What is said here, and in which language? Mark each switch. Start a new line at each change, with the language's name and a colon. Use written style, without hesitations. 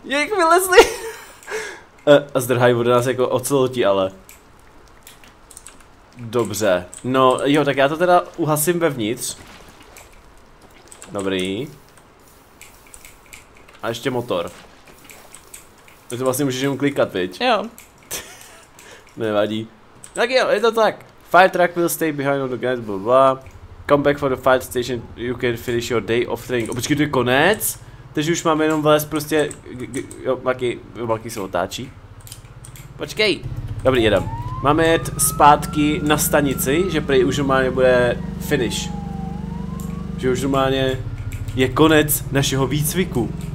Czech: Jak vylezli? A zdrhají od nás jako oceloti, ale. Dobře. No jo, tak já to teda uhasím vevnitř. Dobrý. A ještě motor. Ty to vlastně můžeš jenom klikat, viď? Jo. Nevadí. Tak jo, je to tak.
English: Fire truck will stay behind on the guide, blah, blah. Come back for the fire station, you can finish your day of training.
Czech: O, počkej, to je konec? Takže už máme jenom vlez prostě... Jo, Maki se otáčí. Počkej. Dobrý, jedem. Máme jet zpátky na stanici, že prý už normálně bude finish. Že už normálně je konec našeho výcviku.